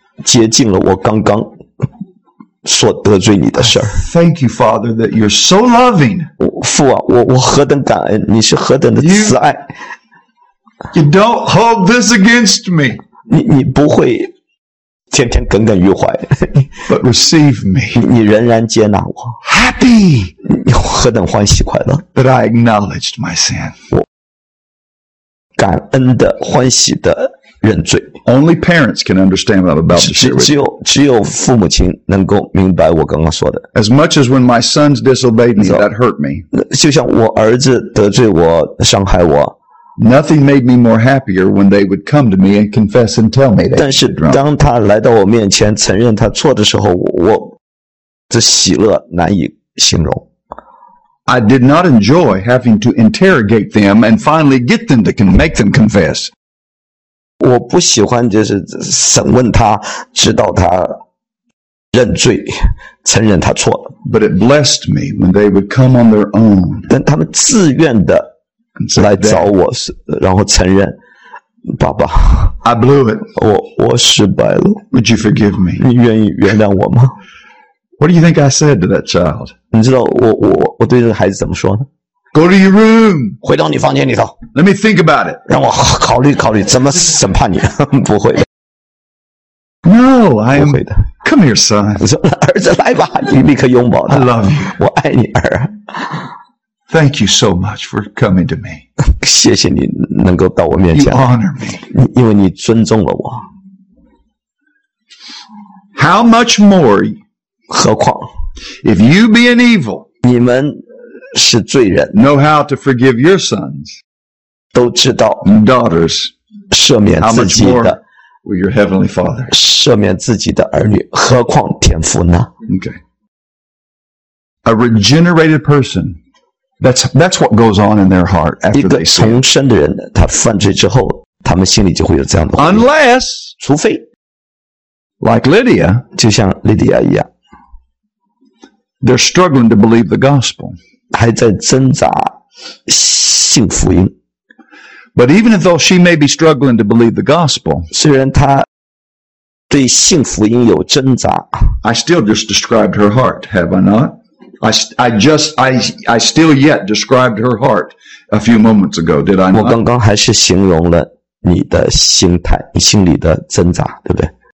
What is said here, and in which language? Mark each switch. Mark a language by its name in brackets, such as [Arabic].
[Chinese] 洁净了我刚刚。所得罪你的事儿。 [English] Thank you, Father, that you're so loving. [Chinese] 父啊，我何等感恩，你是何等的慈爱。 [English] You don't hold this against me. [Chinese] 你不会天天耿耿于怀。 [English] But receive me. [Chinese] 你仍然接纳我。 [English] Happy. [Chinese] 你何等欢喜快乐。 [English] But I acknowledged my sin. [Chinese] 我感恩的欢喜的认罪。 [English] Only parents can understand what I'm about to share with you. [Chinese] 只有父母亲能够明白我刚刚说的。 [English] As much as when my sons disobeyed me, that hurt me. [Chinese] 就像我儿子得罪我，伤害我。 [English] Nothing made me more happier when they would come to me and confess and tell me that. [Chinese] 但是当他来到我面前承认他错的时候，我这喜乐难以形容。 [English] I did not enjoy having to interrogate them and finally get them to make them confess. [Chinese] 我不喜欢就是审问他，直到他认罪，承认他错了。 [English] But it blessed me when they would come on their own. [Chinese] 但他们自愿的来找我，然后承认，爸爸。 [English] I blew it. [Chinese] 我失败了。 [English] Would you forgive me? [Chinese] 你愿意原谅我吗？ [English] What do you think I said to that child? [Chinese] 你知道我对这个孩子怎么说呢？ [English] Go to your room. [Chinese] 回到你房间里头。 [English] Let me think about it. [Chinese] 让我考虑考虑怎么审判你。不会的。 [English] No, I am. [Chinese] 不会的。 [English] Come here, son. [Chinese] 我说儿子来吧，你立刻拥抱他。 [English] I love you. [Chinese] 我爱你儿。 [English] Thank you so much for coming to me. [Chinese] 谢谢你能够到我面前。 [English] You honor me. [Chinese] 因为你尊重了我。 [English] How much more? [Chinese] 何况 [English] ，If you be an evil， [Chinese] 你们是罪人 [English] ，know how to forgive your sons， [Chinese] 都知道 [English] ，daughters [Chinese] 赦免自己的 [English] ，with your heavenly father [Chinese] 赦免自己的儿女，何况天父呢 [English] ？Okay，a regenerated person，that's what goes on in their heart after they sin。 [Chinese] 一个重生的人，他犯罪之后，他们心里就会有这样的回应。 [English] Unless， [Chinese] 除非 [English] ，like Lydia， [Chinese] 就像 Lydia 一样。 [English] They're struggling to believe the gospel. [Chinese] 还在挣扎信福音。 [English] But even though she may be struggling to believe the gospel, [Chinese] 虽然她对信福音有挣扎。 [English] I still just described her heart, have I not? I still yet described her heart a few moments ago, did I not? [Chinese] 我刚刚还是形容了你的心态，你心里的挣扎，对不对？